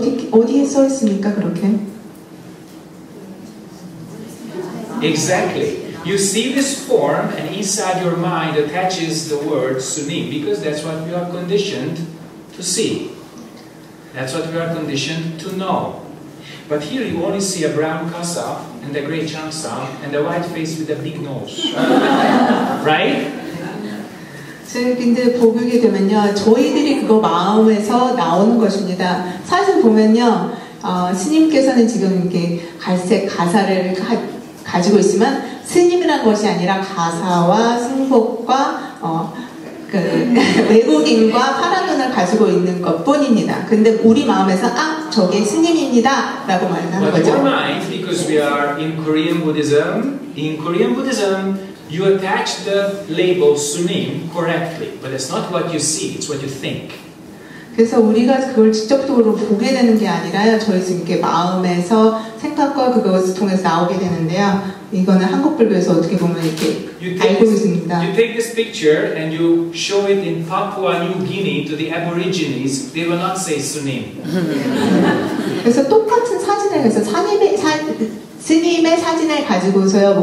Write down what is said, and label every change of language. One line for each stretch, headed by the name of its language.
Korean: 어디에 써 있습니까, 그렇게?
English: Exactly. You see this form and inside your mind attaches the word Sunim because that's what we are conditioned to see. That's what we are conditioned to know. But here you only see a brown kasa and a gray changsa and a white face with a big nose. Right?
Korean: 근데 보게 되면요. 저희들이 그거 마음에서 나오는 것입니다. 사실 보면요. 스님께서는 지금 이렇게 갈색 가사를 가지고 있지만 스님이란 것이 아니라 가사와 승복과 외국인과 파란 눈을 가지고 있는 것뿐입니다. 근데 우리 마음에서 아, 저게 스님입니다. 라고 말하는 거죠.
English: But your mind, because we are in Korean Buddhism, you attach the label Sunim correctly. But it's not what you see, it's what you think.
Korean: 그래서 우리가 그걸 직접적으로 보게 되는 게 아니라 저희 지금 마음에서 생각과 그것을 통해서 나오게 되는데요. 이거는 한국 불교에서 어떻게 보면 이렇게 알고 있습니다.
English: You take this picture and you show it in Papua New Guinea to the aborigines, they will not say Sunim.
Korean: 그래서 똑같은 사진을 해서 스님의 사진을 가지고서요.